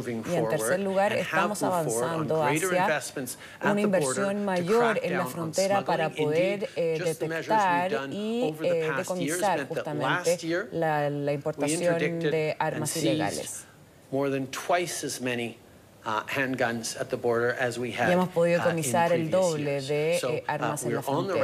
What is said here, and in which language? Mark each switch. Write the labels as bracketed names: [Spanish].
[Spanish] Y en tercer lugar, estamos avanzando hacia una inversión mayor en la frontera para poder detectar y decomisar justamente la importación de armas ilegales. [English] More than twice as many handguns at the border as we had. [Spanish] Y hemos podido decomisar el doble de armas en la frontera.